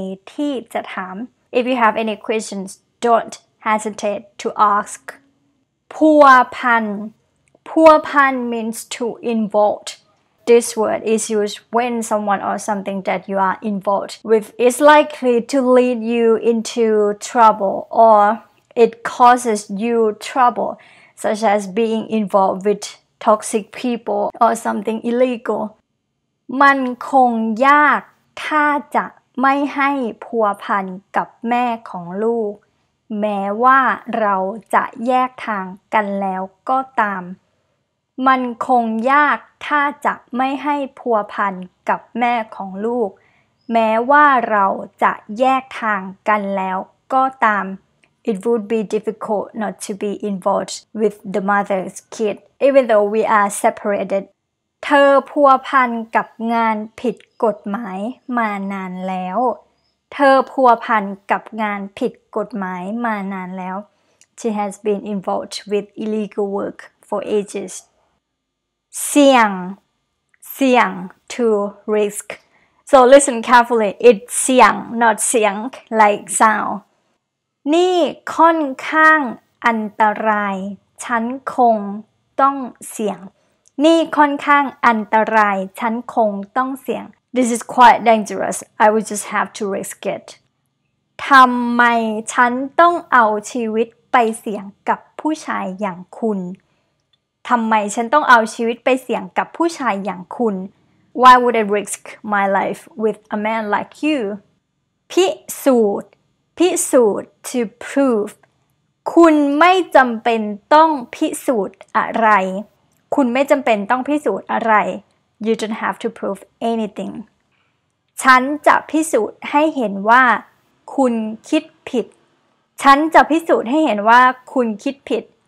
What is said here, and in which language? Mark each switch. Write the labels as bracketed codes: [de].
[th] ถ้ามีคำถามอะไรไม่ต้องลังเลที่จะถาม [en] If you have any questions, don't hesitate to ask. [th] Pua-pan. [en] Pua-pan means to involve. This word is used when someone or something that you are involved with is likely to lead you into trouble or it causes you trouble, such as being involved with toxic people or something illegal. [th] มันคงยากถ้าจะไม่ให้พัวพันกับแม่ของลูกแม้ว่าเราจะแยกทางกันแล้วก็ตามมันคงยากถ้าจะไม่ให้พัวพันกับแม่ของลูกแม้ว่าเราจะแยกทางกันแล้วก็ตาม [en] It would be difficult not to be involved with the mother's kid even though we are separated [th] เธอพัวพันกับงานผิดกฎหมายมานานแล้วเธอพัวพันกับงานผิดกฎหมายมานานแล้ว [en] She has been involved with illegal work for ages [th] Sìang, [en] sìang to risk. So listen carefully. It's sìang, not sìang like sound. [th] นี่ค่อนข้างอันตรายฉันคงต้องเสี่ยงนี่ค่อนข้างอันตรายฉันคงต้องเสี่ยง [en] This is quite dangerous. I would just have to risk it. [th] ทำไมฉันต้องเอาชีวิตไปเสี่ยงกับผู้ชายอย่างคุณทำไมฉันต้องเอาชีวิตไปเสี่ยงกับผู้ชายอย่างคุณ [en] Why would I risk my life with a man like you? [th] พิสูจน์ [en] พิสูจน์ to prove [th] คุณไม่จำเป็นต้องพิสูจน์อะไรคุณไม่จำเป็นต้องพิสูจน์อะไร [en] You don't have to prove anything [th] ฉันจะพิสูจน์ให้เห็นว่าคุณคิดผิดฉันจะพิสูจน์ให้เห็นว่าคุณคิดผิด